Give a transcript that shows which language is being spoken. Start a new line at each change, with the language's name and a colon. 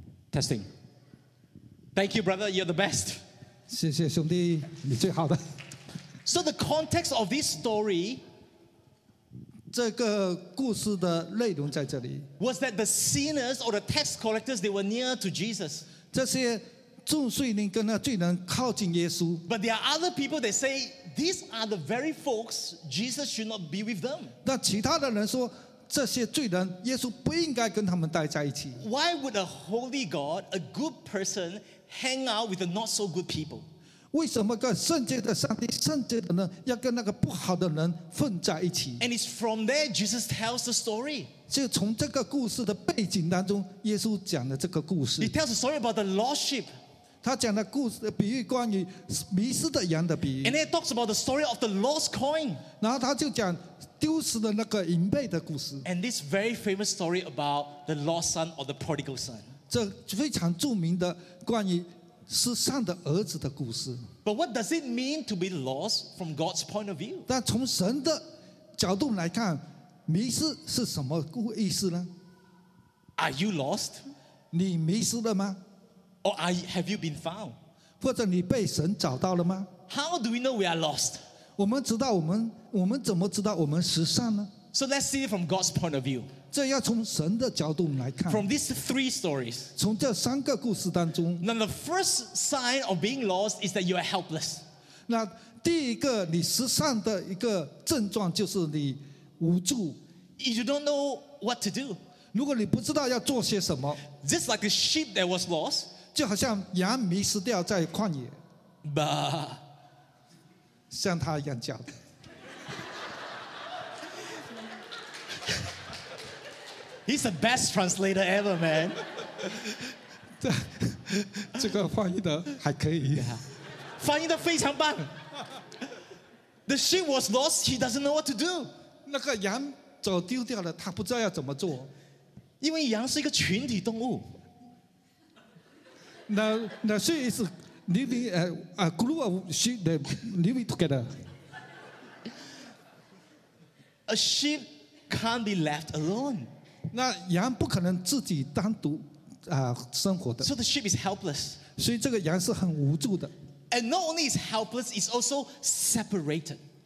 English: Testing. Thank you, brother. You're the best.
Chinese: 谢谢兄弟，你最好的。
English: So the context of this story,
Chinese: 这个故事的内容在这里
English: was that the sinners or the tax collectors they were near to Jesus.
Chinese: 这些众税吏跟那罪人靠近耶稣。
English: But there are other people that say these are the very folks Jesus should not be with them.
Chinese: 那其他的人说。这些罪人，耶稣不应该跟他们待在一起。
English: Why would a holy God, a good person, hang out with the not so good people?
Chinese: 为什么个圣洁的上帝、圣洁的人要跟那个不好的人混在一起？
English: And it's from there Jesus tells the story.
Chinese: 就从这个故事的背景当中，耶稣讲了这个故事。
English: He tells a story about the lost sheep.
Chinese: 他讲的故事的比喻关于迷失的羊的比喻。
English: And he talks about the story of the lost coin.
Chinese: 然后他就讲。丢失的那个银贝的故事
English: and this very famous story about the lost son or the prodigal son
Chinese: 这非常著名的关于失散的儿子的故事
English: but what does it mean to be lost from God's point of view
Chinese: 但从神的角度来看迷失是什么意思呢
English: are you lost
Chinese: 你迷失了吗
English: or have you been found
Chinese: 或者你被神找到了吗
English: how do we know we are lost
Chinese: 我们知道我们怎么知道我们失散呢
English: ？So let's see it from God's point of view.
Chinese: 这要从神的角度来看。
English: From these three stories.
Chinese: 从这三个故事当中。
English: Now the first sign of being lost is that you are helpless.
Chinese: 那第一个你失散的一个症状就是你无助。
English: You don't know what to do.
Chinese: 如果你不知道要做些什么。
English: Just like a sheep that was lost.
Chinese: 就好像羊迷失掉在旷野。 Bah. 像他一样叫的。
English: He's the best translator ever, man.
Chinese: 这个翻译的还可以。翻译的非常棒。
English: The sheep was lost, he doesn't know what to do.
Chinese: 那个羊走丢掉了，他不知道要怎么做。因为羊是一个群体动物。那
English: sheep is living a group of sheep that living together. A sheep can't be left alone.
Chinese: 那羊不可能自己单独生活的。
English: So the sheep is helpless.
Chinese: 所以这个羊是很无助的。
English: And not only is helpless, it's also separated.